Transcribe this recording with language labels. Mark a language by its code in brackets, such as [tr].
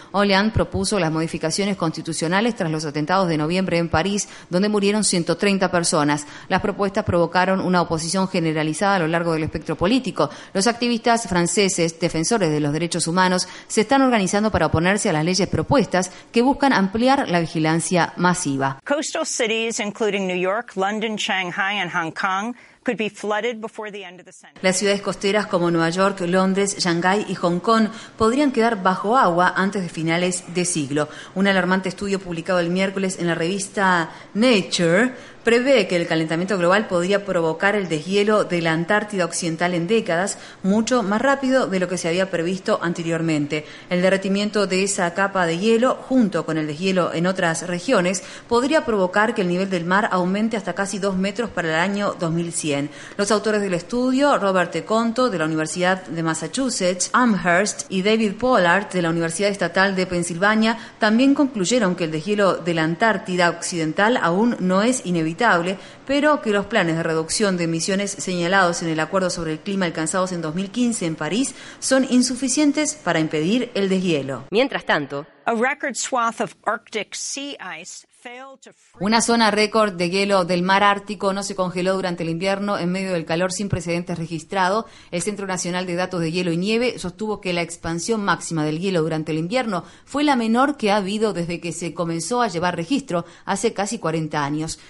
[es] Hollande propuso las modificaciones constitucionales tras los atentados de noviembre en París, donde murieron 130 personas. Las propuestas provocaron una oposición generalizada a lo largo del espectro político. Los activistas franceses, defensores de los derechos humanos, se están organizando para oponerse a las leyes propuestas que buscan ampliar la vigilancia masiva. [en] Coastal cities, including New York, London, Shanghai, and Hong Kong, could be flooded before the end of the century. [es] Las ciudades costeras como Nueva York, Londres, Shanghái y Hong Kong podrían quedar bajo agua antes de finales de siglo. Un alarmante estudio publicado el miércoles en la revista Nature prevé que el calentamiento global podría provocar el deshielo de la Antártida Occidental en décadas, mucho más rápido de lo que se había previsto anteriormente. El derretimiento de esa capa de hielo, junto con el deshielo en otras regiones, podría provocar que el nivel del mar aumente hasta casi 2 metros para el año 2100. Los autores del estudio, Robert Teconto, de la Universidad de Massachusetts, Amherst, y David Pollard, de la Universidad Estatal de Pensilvania, también concluyeron que el deshielo de la Antártida Occidental aún no es inevitable, pero que los planes de reducción de emisiones señalados en el acuerdo sobre el clima alcanzados en 2015 en París son insuficientes para impedir el deshielo. Mientras tanto, [en] a record swath of Arctic sea ice [es] Una zona récord de hielo del mar Ártico no se congeló durante el invierno en medio del calor sin precedentes registrado. El Centro Nacional de Datos de Hielo y Nieve sostuvo que la expansión máxima del hielo durante el invierno fue la menor que ha habido desde que se comenzó a llevar registro hace casi 40 años.